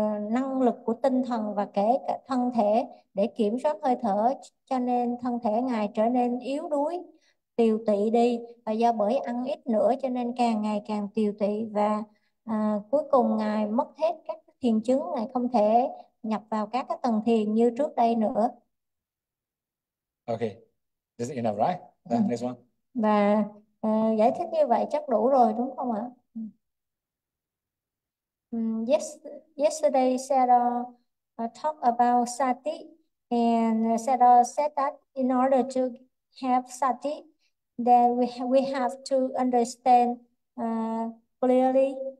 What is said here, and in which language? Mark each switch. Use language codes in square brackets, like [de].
[vi] năng lực của tinh thần và kể cả thân thể để kiểm soát hơi thở, cho nên thân thể Ngài trở nên yếu đuối, tiều tụy đi, và do bởi ăn ít nữa cho nên càng ngày càng tiều tụy, và cuối cùng Ngài mất hết các thiền chứng, Ngài không thể nhập vào các cái tầng thiền như trước đây nữa. [en] Okay, this is enough, right? The next one. [vi] Và Giải thích như vậy chắc đủ rồi đúng không ạ? [en] Yesterday, Sarah talked about sati, and Sarah said that in order to have sati, then we have to understand clearly.